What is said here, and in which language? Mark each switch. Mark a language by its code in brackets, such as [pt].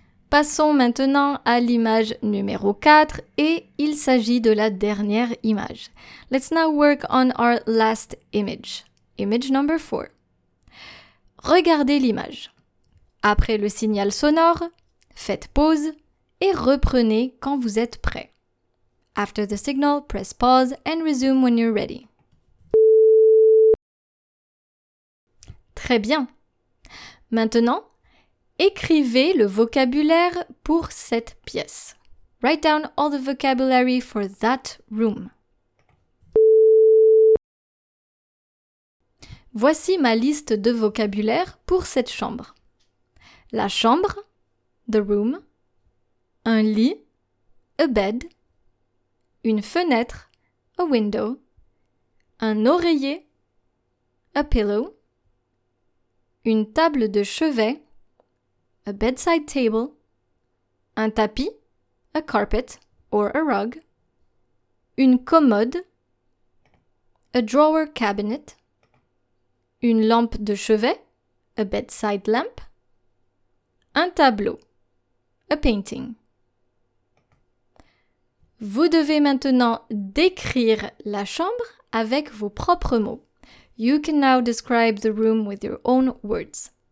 [fr] Passons maintenant à l'image numéro 4 et il s'agit de la dernière image. [en] Let's now work on our last image. Image number 4. [fr] Regardez l'image. Après le signal sonore, faites pause et reprenez quand vous êtes prêt. [en] After the signal, press pause and resume when you're ready. [fr] Très bien. Maintenant, écrivez le vocabulaire pour cette pièce. [en] Write down all the vocabulary for that room. [fr] Voici ma liste de vocabulaire pour cette chambre. La chambre, [en] the room, [fr] un lit, [en] a bed, [fr] une fenêtre, [en] a window, [fr] un oreiller, [en] a pillow, [fr] une table de chevet, [en] a bedside table, [fr] un tapis, [en] a carpet or a rug, [fr] une commode, [en] a drawer cabinet, [fr] une lampe de chevet, [en] a bedside lamp, [fr] un tableau, [en] a painting. [fr] Vous devez maintenant décrire la chambre avec vos propres mots. [en] You can now describe the room with your own words.